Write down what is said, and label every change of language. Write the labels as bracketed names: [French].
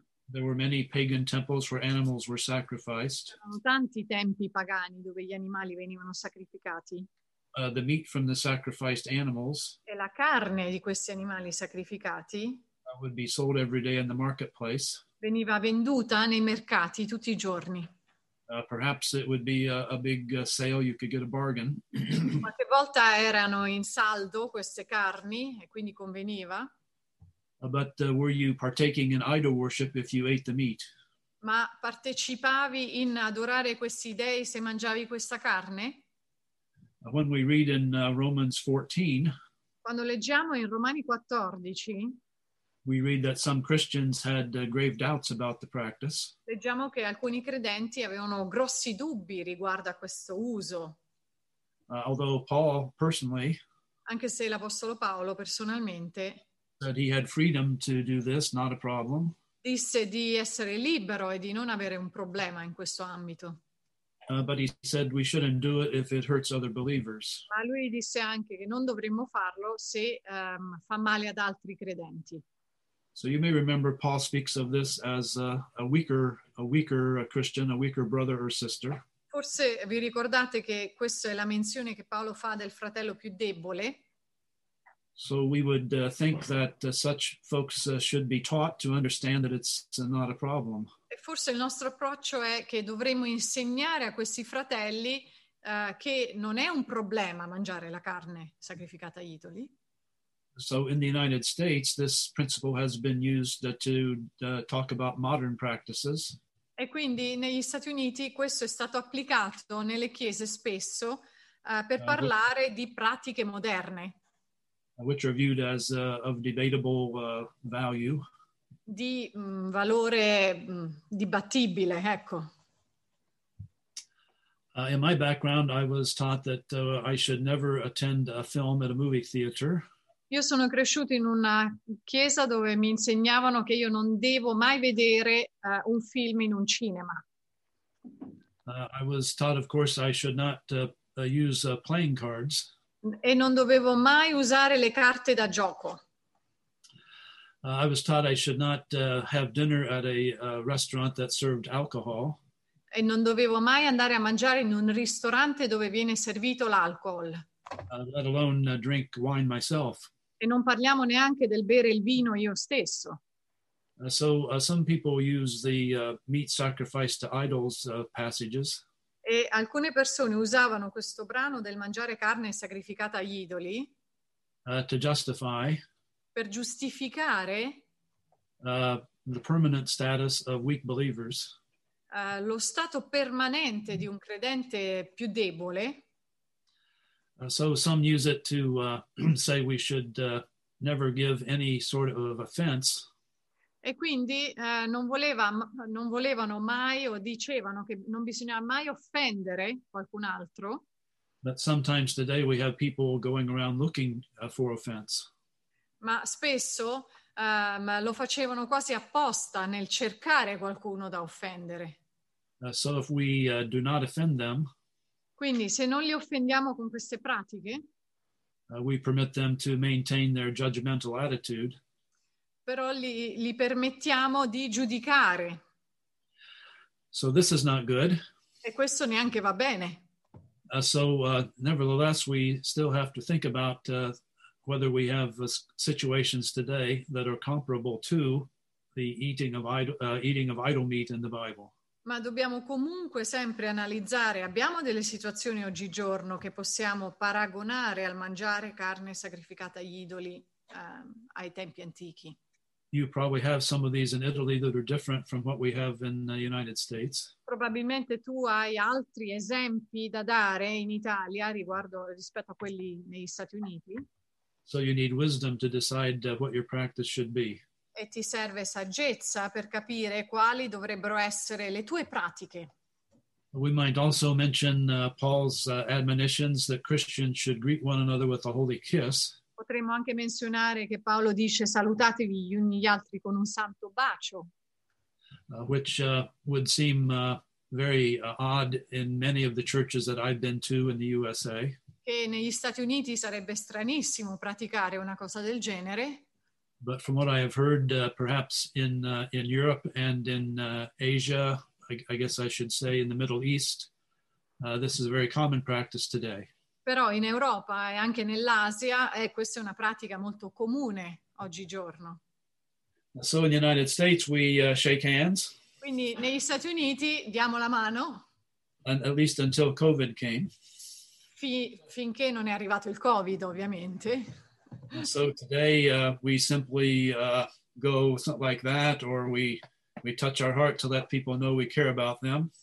[English] There were many pagan temples where animals were sacrificed. [Italian] C'erano tanti tempi pagani dove gli animali venivano sacrificati. [English] The meat from the sacrificed animals. [Italian] E la carne di questi animali sacrificati. [English] Would be sold every day in the marketplace. [Italian] Veniva venduta nei mercati tutti i giorni. [English] Perhaps it would be a big sale. You could get a bargain. [Italian] Qualche volta erano in saldo queste carni e quindi conveniva. [English] But were you partaking in idol worship if you ate the meat? [Italian] Ma partecipavi in adorare questi dei se mangiavi questa carne? [English] When we read in Romans 14, [Italian] quando leggiamo in Romani 14, [English] we read that some Christians had grave doubts about the practice. [Italian] Leggiamo che alcuni credenti avevano grossi dubbi riguardo a questo uso. [English] Although Paul personally, [Italian] anche se l'apostolo Paolo personalmente, [English] that he had freedom to do this, not a problem. [Italian] Disse di essere libero e di non avere un problema in questo ambito. [English] But he said we shouldn't do it if it hurts other believers. [Italian] Ma lui disse anche che non dovremmo farlo se fa male ad altri credenti. [English] So you may remember Paul speaks of this as a weaker Christian, a weaker brother or sister. [Italian] Forse vi ricordate che questa è la menzione che Paolo fa del fratello più debole. [English] So we would think that such folks should be taught to understand that it's not a problem. [Italian] E forse il nostro approccio è che dovremmo insegnare a questi fratelli che non è un problema mangiare la carne sacrificata agli idoli. [English] So in the United States this principle has been used to talk about modern practices. [Italian] E quindi negli Stati Uniti questo è stato applicato nelle chiese spesso per parlare di pratiche moderne. [English] Which are viewed as of debatable value. [Italian] Di valore dibattibile, ecco. [English] In my background, I was taught that I should never attend a film at a movie theater. [Italian] Io sono cresciuto in una chiesa dove mi insegnavano che io non devo mai vedere un film in un cinema. [English] I was taught, of course, I should not use playing cards. [Italian] E non dovevo mai usare le carte da gioco. [English] I was taught I should not have dinner at a restaurant that served alcohol. [Italian] E non dovevo mai andare a mangiare in un ristorante dove viene servito l'alcohol. [English] Let alone drink wine myself. [Italian] E non parliamo neanche del bere il vino io stesso. [English] Some people use the meat sacrificed to idols passages. [Italian] E alcune persone usavano questo brano del mangiare carne sacrificata agli idoli [English] to justify [Italian] per giustificare [English] the permanent status of weak believers [Italian] lo stato permanente di un credente più debole. [English] So some use it to say we should never give any sort of offense. [Italian] E quindi non volevano mai o dicevano che non bisogna mai offendere qualcun altro. [English] But sometimes today we have people going around looking for offense. [Italian] Ma spesso lo facevano quasi apposta nel cercare qualcuno da offendere. [English] So if we do not offend them, [Italian] quindi se non li offendiamo con queste pratiche, [English] we permit them to maintain their judgmental attitude. [Italian] Però li permettiamo di giudicare. [English] So this is not good. [Italian] E questo neanche va bene. [English] Nevertheless, we still have to think about whether we have situations today that are comparable to the eating of idol meat in the Bible. [Italian] Ma dobbiamo comunque sempre analizzare, abbiamo delle situazioni oggigiorno che possiamo paragonare al mangiare carne sacrificata agli idoli ai tempi antichi. [English] You probably have some of these in Italy that are different from what we have in the United States. [Italian] Probabilmente tu hai altri esempi da dare in Italia rispetto a quelli negli Stati Uniti. [English] So you need wisdom to decide what your practice should be. [Italian] E ti serve saggezza per capire quali dovrebbero essere le tue pratiche. [English] We might also mention Paul's admonitions that Christians should greet one another with a holy kiss. [Italian] Potremmo anche menzionare che Paolo dice salutatevi gli uni gli altri con un santo bacio. [English] Which would seem very odd in many of the churches that I've been to in the USA. [Italian] Che negli Stati Uniti sarebbe stranissimo praticare una cosa del genere. [English] But from what I have heard, perhaps in Europe and in Asia, I guess I should say in the Middle East, this is a very common practice today. [Italian] Però in Europa e anche nell'Asia, questa è una pratica molto comune oggigiorno. [English] So in the United States we shake hands. [Italian] Quindi negli Stati Uniti diamo la mano. [English] And at least until COVID came. [Italian] Finché non è arrivato il COVID, ovviamente. [English] So today we simply go something like that, or we touch our heart to let people know we care about them.